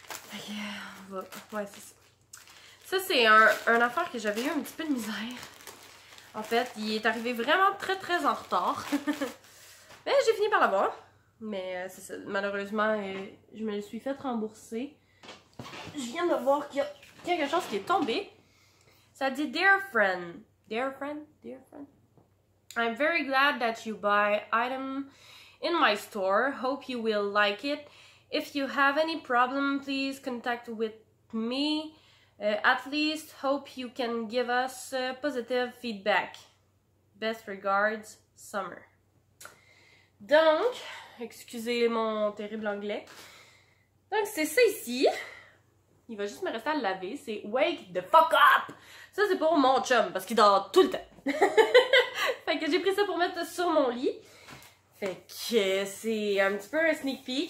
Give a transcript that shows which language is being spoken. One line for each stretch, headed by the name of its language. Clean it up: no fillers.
French: Fait que, ouais, c'est ça. Ça, c'est un affaire que j'avais eu un petit peu de misère. En fait, il est arrivé vraiment très très en retard. Mais j'ai fini par l'avoir. Mais c'est ça. Malheureusement, je me le suis fait rembourser. Je viens de voir qu'il y a quelque chose qui est tombé. Ça dit «
English: Dear friend ». Dear friend, I'm very glad that you buy item in my store. Hope you will like it. If you have any problem, please contact with me. At least hope you can give us positive feedback. Best regards, Summer.
French: Donc, excusez mon terrible anglais. Donc, c'est ça ici. Il va juste me rester à le laver. C'est
English: wake the fuck up!
French: Ça, c'est pour mon chum, parce qu'il dort tout le temps. Fait que j'ai pris ça pour mettre sur mon lit. Fait que c'est un petit peu un sneak peek.